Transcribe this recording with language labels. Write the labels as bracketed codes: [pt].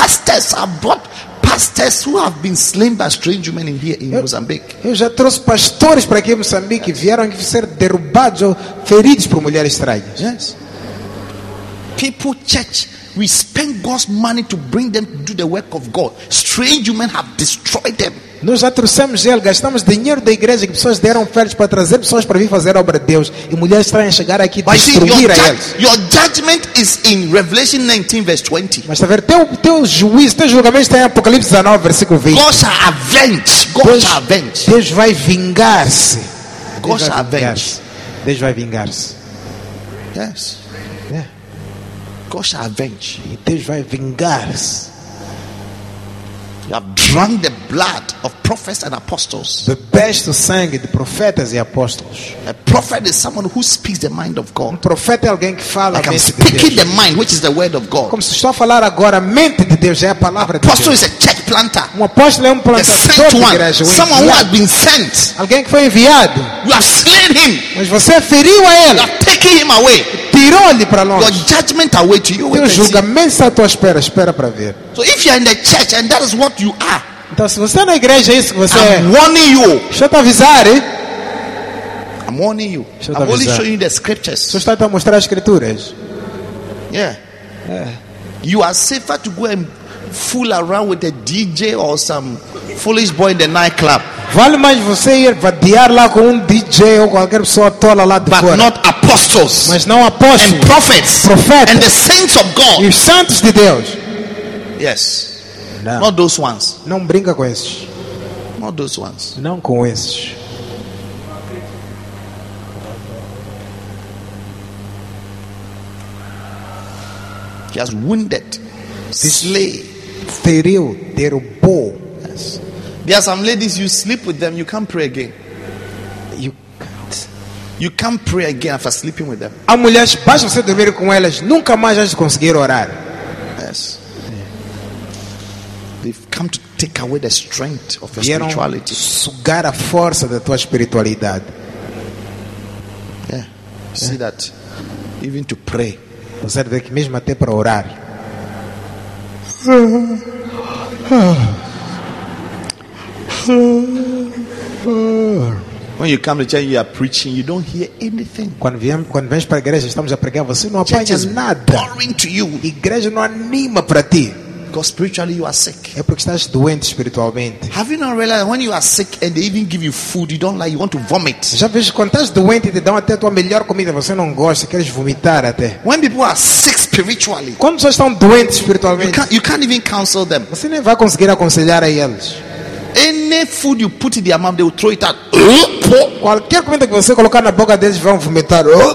[en] I have brought pastors who have been slain by strange women in Mozambique. [pt] Eu já trouxe pastores para aqui em Moçambique que vieram aqui ser derrubados ou feridos por mulheres estranhas. [en] Yes. People, church, we spend God's money to bring them to do the work of God. Strange women have destroyed them. [pt] Nós já trouxemos ele, gastamos dinheiro da igreja que pessoas deram férias para trazer pessoas para vir fazer a obra de Deus e mulheres estranhas chegaram aqui e destruir a eles. [en] Your judgment is in Revelation 19, verse 20. [pt] Mas está a ver, teu juízo, teu julgamento está em Apocalipse 19, versículo 20. [en] God shall avenge. [pt] Deus vai vingar-se. [en] God shall avenge. [pt] Deus vai vingar-se. [en] Yes. Yeah. God shall avenge. [pt] E Deus vai vingar-se. [en] You have drunk the blood of prophets and apostles. [pt] Bebeste o sangue de profetas e apóstolos. [en] A prophet is someone who speaks the mind of God. [pt] Um profeta é alguém que fala [en] like [pt] a mente de Deus. [en] I'm speaking the mind, which is the word of God. [pt] Como se estou a falar agora a mente de Deus, é a palavra de Deus. [en] Apostle is a church planter. [pt] Um apóstolo é um plantador de igreja. [en] Someone who has been sent. [pt] Alguém que foi enviado. [en] You have slain him. [pt] Mas você feriu a ele. [en] You have taken him away. [pt] Tirou-lhe para longe. [en] Your judgment await you. [pt] Teu julgamento está à tua espera. Espera para ver. [en] So if you are in the church and that is what you are. [pt] Então se você é na igreja, é isso que você [en] I'm warning you. [pt] Deixa-te avisar, hein? [en] I'm warning you. [pt] Deixa-te [en] I'm only showing you the scriptures. [pt] Só estou a mostrar as escrituras. [en] Yeah. You are safer to go and fool around with a DJ or some foolish boy in the nightclub. [pt] Vale mais você ir vadiar lá com DJ ou qualquer pessoa tola lá de [en] but [pt] fora. [en] But not apostles. [pt] Mas não apóstolos. [en] And prophets. [pt] Profetas. [en] And the saints of God. [pt] E os santos de Deus. [en] Yes. [pt] Não. [en] Not those ones. [pt] Não brinca com esses. [en] Not those ones. [pt] Não com esses. [en] He has wounded, slay, [pt] feriu, derrubou. [en] Yes. There are some ladies, you sleep with them, you can't pray again. You can't. You can't pray again after sleeping with them. [pt] Há mulheres, basta você dormir com elas, nunca mais vais conseguir orar. [en] Yes. They've come to take away the strength of your spirituality. [pt] Sugar a força da tua espiritualidade. [en] Yeah. See that? Even to pray. [pt] Você vê que mesmo até para orar. [en] When you come to church, you are preaching. You don't hear anything. [pt] Quando vens para a igreja, estamos a pregar. Você não apanha nada. [en] Boring to you. [pt] Igreja não anima para ti. [en] Because spiritually you are sick. [pt] É porque estás doente espiritualmente. [en] Have you not realized when you are sick and they even give you food, you don't like, you want to vomit? [pt] Já vês quando estás doente e te dão até a tua melhor comida, você não gosta, queres vomitar até. [en] When people are sick spiritually, [pt] quando pessoas estão doentes espiritualmente, [en] you can't even counsel them. [pt] Você nem vai conseguir aconselhar a eles. [en] Any food you put in their mouth, they will throw it out. [pt] Qualquer comida que você colocar na boca deles, vão vomitar.